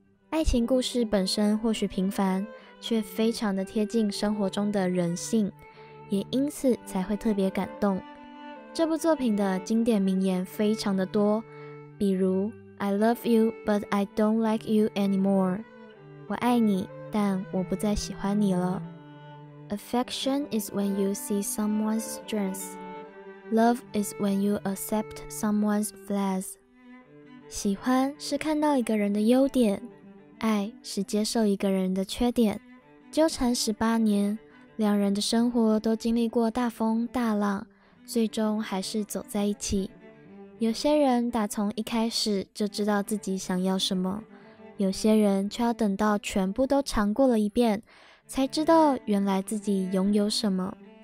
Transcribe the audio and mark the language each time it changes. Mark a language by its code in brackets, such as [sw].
[zh] 爱情故事本身或许平凡，却非常的贴近生活中的人性，也因此才会特别感动。这部作品的经典名言非常的多，比如 [en] I love you but I don't like you anymore， [zh] 我爱你但我不再喜欢你了。 [en] Affection is when you see someone's strengths， Love is when you accept someone's flaws， [zh] 喜欢是看到一个人的优点，爱是接受一个人的缺点。纠缠18年，两人的生活都经历过大风大浪，最终还是走在一起。有些人打从一开始就知道自己想要什么，有些人却要等到全部都尝过了一遍，才知道原来自己拥有什么。